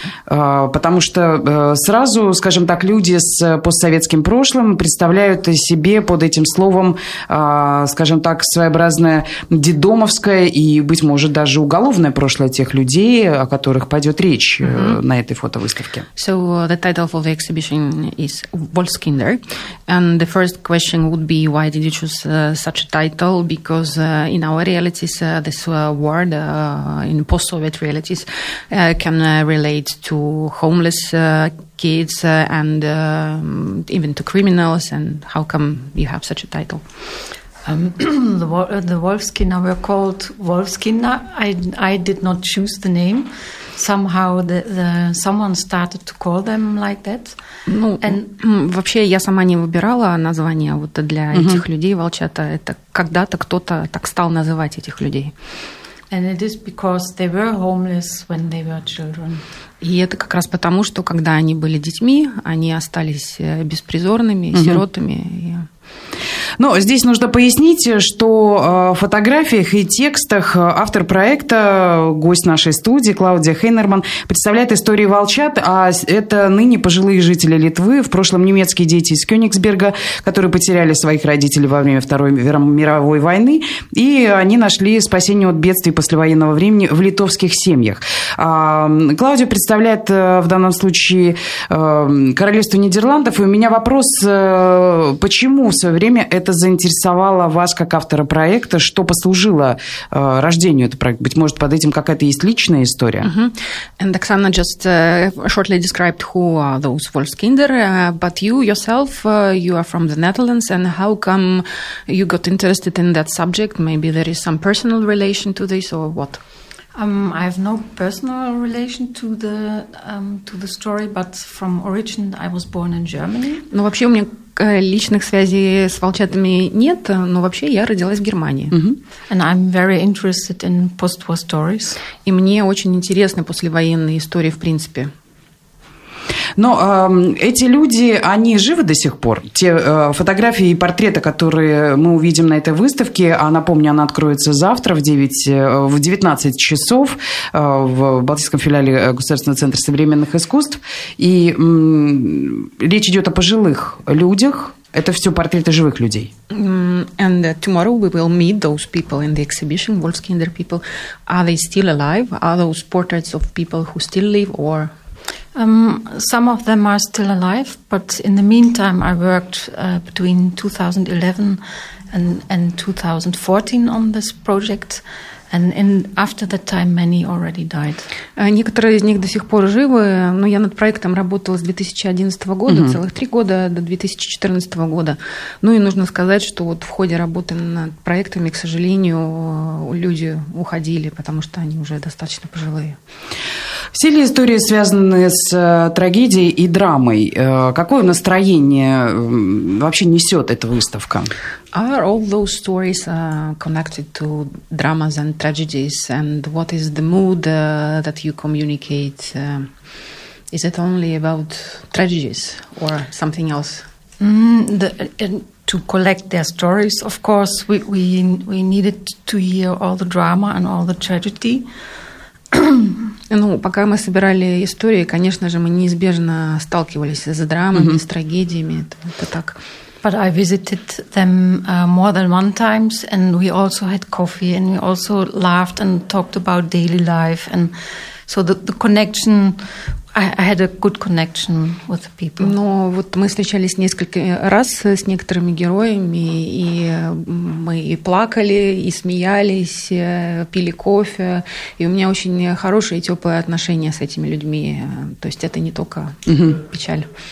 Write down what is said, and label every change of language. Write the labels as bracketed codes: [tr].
[ru] Потому что сразу, скажем так, люди с постсоветским прошлым представляют себе под этим словом, скажем так, своеобразное детдомовское и, быть может, даже уголовное прошлое тех людей, о которых пойдет речь на этой фотовыставке. [en] So, the title of the exhibition is Wolfskinder, and the first question would be, why did you choose such a title? Because in our realities, this word in post-Soviet realities can relate to homeless kids and even to criminals. And how come you have such a title? the Wolfskinder were called Wolfskinder. I did not choose the name. Somehow someone started to call them like that. Ну, and... [ru] вообще я сама не выбирала название вот для этих людей волчата. Это когда-то кто-то так стал называть этих людей. [en] And it is because they were homeless when they were children. [ru] И это как раз потому, что когда они были детьми, они остались беспризорными, сиротами. Но здесь нужно пояснить, что в фотографиях и текстах автор проекта, гость нашей студии Клаудия Хейнерман, представляет истории волчат, а это ныне пожилые жители Литвы, в прошлом немецкие дети из Кёнигсберга, которые потеряли своих родителей во время Второй мировой войны, и они нашли спасение от бедствий послевоенного времени в литовских семьях. Клаудия представляет в данном случае Королевство Нидерландов, и у меня вопрос, почему в свое время это заинтересовало вас как автора проекта, что послужило рождению этого проекта? Быть может, под этим какая-то есть личная история? [en] And Оксана just shortly described who are those Wolfskinder, but you yourself, you are from the Netherlands, and how come you got interested in that subject? Maybe there is some personal relation to this, or what? I have no personal relation to the story, but from origin I was born in Germany. [ru] Ну, вообще у меня личных связей с волчатами нет, но вообще я родилась в Германии. [en] And I'm very interested in post-war stories. [ru] И мне очень интересны послевоенные истории в принципе. Но эти люди, они живы до сих пор? Те фотографии и портреты, которые мы увидим на этой выставке, а напомню, она откроется завтра в 19 часов в Балтийском филиале Государственного центра современных искусств. И речь идет о пожилых людях. Это все портреты живых людей. [en] And tomorrow we will meet those people in the exhibition, Wolfskinder people. Are they still alive? Are those portraits of people who still live or... Some of them are still alive, but in the meantime, I worked between 2011 and 2014 on this project, and in after that time, many already died. [ru] Некоторые из них до сих пор живы, но я над проектом работала с 2011 года, целых три года до 2014 года. Ну и нужно сказать, что вот в ходе работы над проектами, к сожалению, люди уходили, потому что они уже достаточно пожилые. Все ли истории связаны с трагедией и драмой? Какое настроение вообще несет эта выставка? [en] Are all those stories connected to dramas and tragedies? And what is the mood that you communicate? Is it only about tragedies or something else? To collect their stories, of course, we needed to hear all the drama and all the tragedy. [ru] Ну, пока мы собирали истории, конечно же, мы неизбежно сталкивались с драмами, с трагедиями. Это так. [en] But I visited them more than one times, and we also had coffee, and we also laughed and talked about daily life, and so the connection. I had a good connection with the people. [ru] Но вот мы встречались несколько раз с некоторыми героями, и мы и плакали, и смеялись, пили кофе, и у меня очень хорошие и теплые отношения с этими людьми. То есть это не только печаль.